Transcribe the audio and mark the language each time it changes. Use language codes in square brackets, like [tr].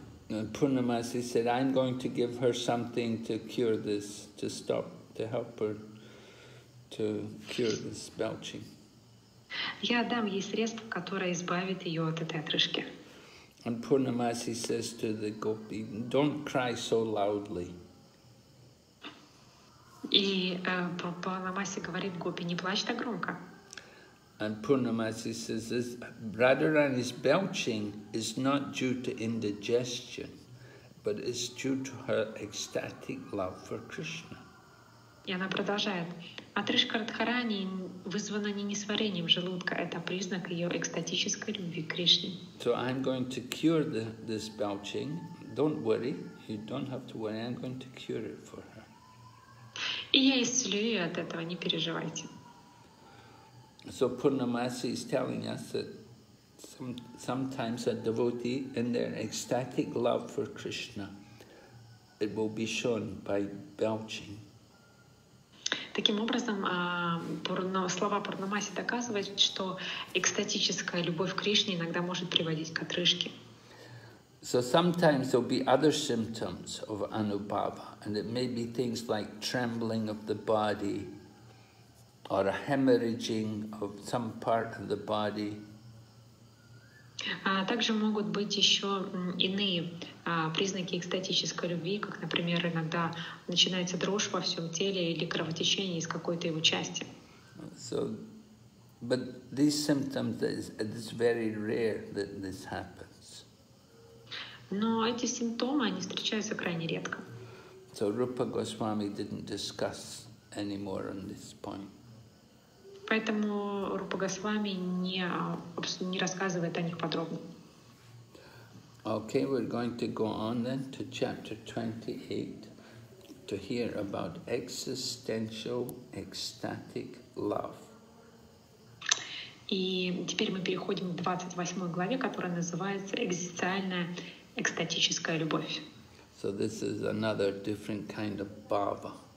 [en] Purnamasi said, "I'm going to give her something to cure this, to stop." To help her to cure this belching. [ru] Я дам ей средство, которое избавит ее от этой отрыжки. [en] And Purnamasi says to the gopi, "Don't cry so loudly." [ru] И Пурнамаси говорит гопи, не плачь так громко. [en] And Purnamasi says, "This Radharani's belching is not due to indigestion, but it's due to her ecstatic love for Krishna." [ru] И она продолжает. Отрыжка Радхарани вызвана не несварением желудка, это признак ее экстатической любви к Кришне. [en] So I'm going to cure this belching. Don't worry, you don't have to worry. I'm going to cure it for her. [ru] И я исцелю ее от этого, не переживайте. [en] So Purnamasi is telling us that sometimes a devotee in their ecstatic love for Krishna it will be shown by belching. [ru] Таким образом, слова Пурнамаси доказывают, что экстатическая любовь к Кришне иногда может приводить к отрыжке. [en] So sometimes there'll be other symptoms of anubhava, and it may be things like trembling of the body or a hemorrhaging of some part of the body. [ru] Также могут быть еще иные признаки экстатической любви, как, например, иногда начинается дрожь во всем теле или кровотечение из какой-то его части. [en] So, but these symptoms, it's very rare that this happens. [ru] Но эти симптомы, они встречаются крайне редко. [en] So Rupa Goswami didn't discuss any more on this point. [ru] Поэтому Рупа Госвами не рассказывает о них подробно. [en] Okay, we're going to go on then to chapter 28 to hear about existential ecstatic love. [ru] И теперь мы переходим к 28 главе, которая называется «Экзистенциальная экстатическая любовь». [en] So this is another different kind of bhava.